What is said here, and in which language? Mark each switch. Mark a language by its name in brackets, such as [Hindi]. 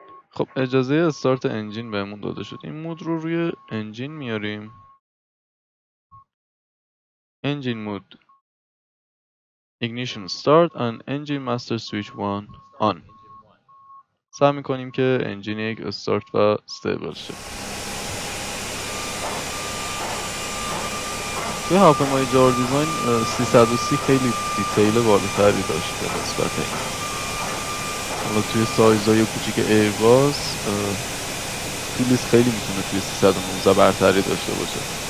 [Persian] خب اجازه استارت انجین بهمون داده شد. این مود رو روی انجین میاریم. [English] Engine mode ignition start and engine master switch 1 on. [Persian] سعی میکنیم که انجین یک استارت و استیبل شه. توی هواپیمای جار دیزاین 330 خیلی دیتیل بالاتری داشته نسبت این. حالا توی سایزهای کوچیک ایرباس پیلیس خیلی میتونه توی 319 برتری داشته باشه.